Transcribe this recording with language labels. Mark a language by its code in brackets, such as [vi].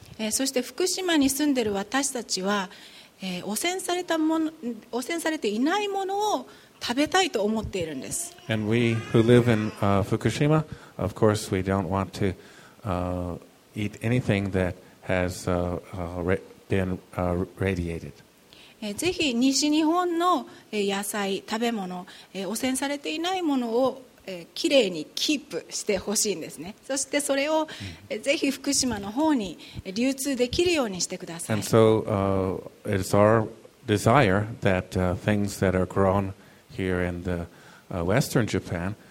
[ja] そして福島に住んでる私たちは、汚染されたもの、汚染されていないものを食べたいと思っているんです。 [en] And we who live in Fukushima. Of course, we don't want to eat anything that has been radiated. [ja] ぜひ西日本の野菜、食べ物、汚染されていないものをきれいにキープしてほしいんですね。そしてそれをぜひ福島の方に流通できるようにしてください。 [en] And so it's our desire that things that are grown here in the western Japan